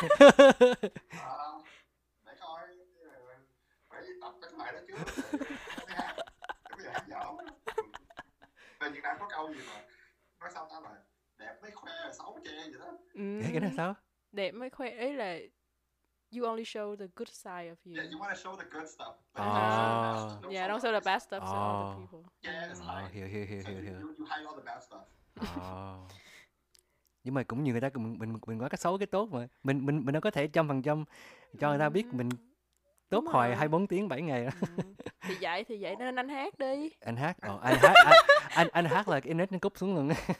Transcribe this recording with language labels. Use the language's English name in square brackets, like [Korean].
[Vietnamese] Để coi. Phải tập cái bài đó chứ. Cái bài hát nhỏ. Về Việt Nam có câu gì mà nói sao ta là đẹp mới khoe, xấu che vậy đó. Cái này sao? Đẹp mới khoe ấy là [English] you only show the good side of you. Yeah, you want to show the good stuff. Oh. Yeah, don't show the bad stuff to other people. Yeah, it's like, here. You hide all the bad stuff. Oh. [Vietnamese] Nhưng mà cũng như người ta, mình nói cái xấu cái tốt mà. Mình đâu có thể 100% cho người ta biết mình tốt hồi 24 tiếng 7 ngày. thì vậy nên anh hát đi. Anh hát? Ồ, oh, anh hát. anh hát là cái internet nó cúp xuống luôn.